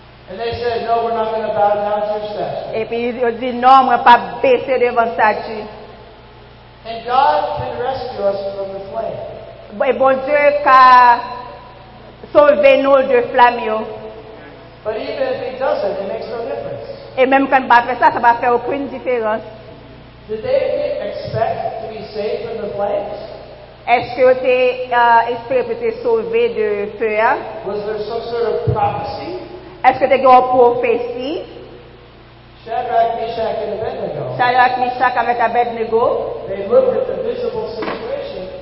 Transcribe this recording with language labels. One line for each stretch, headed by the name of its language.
English: And they said, no, we're not going to bow down to your statue.
French: Et puis ils ont dit, non, on va pas baisser devant statue.
English: And God can rescue us from the flame.
French: Et bon Dieu qui a sauvé nous de flammes.
English: But even if he doesn't, it makes no difference.
French: Et même quand il va faire ça, ça va faire aucune différence.
English: Did they expect to be saved from the flames?
French: Est-ce que tu espères peut-être sauvé de feu?
English: Was there some sort of prophecy?
French: Est-ce que tu as une prophétie?
English: Shadrach, Meshach, and Abednego.
French: Shadrach, Meshach, avec Abednego.
English: They looked at the visible situation.